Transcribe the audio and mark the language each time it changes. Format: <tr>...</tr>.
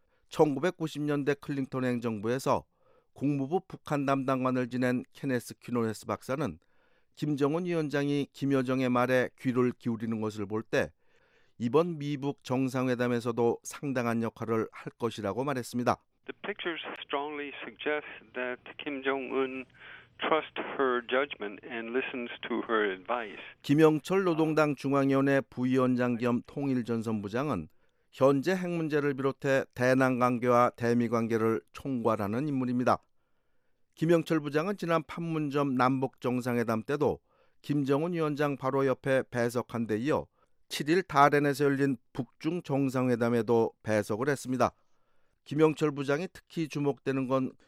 <ko>1990년대 클링턴 행정부에서 국무부 북한 담당관을 지낸 케네스 퀴노레스 박사는 김정은 위원장이 김여정의 말에 귀를 기울이는 것을 볼 때 이번 미북 정상회담에서도 상당한 역할을 할 것이라고 말했습니다.</ko> <en>The pictures strongly suggest that Kim Jong-un trusts her judgment and listens to her advice.</en> <ko>김영철 노동당 중앙위원회 부위원장 겸 통일전선부장은 현재 핵 문제를 비롯해 대남 관계와 대미 관계를 총괄하는 인물입니다. 김영철 부장은 지난 판문점 남북 정상회담 때도 김정은 위원장 바로 옆에 배석한 데 이어 7일 다렌에서 열린 북중 정상회담에도 배석을 했습니다. 김영철 부장이 특히 주목되는 건</ko>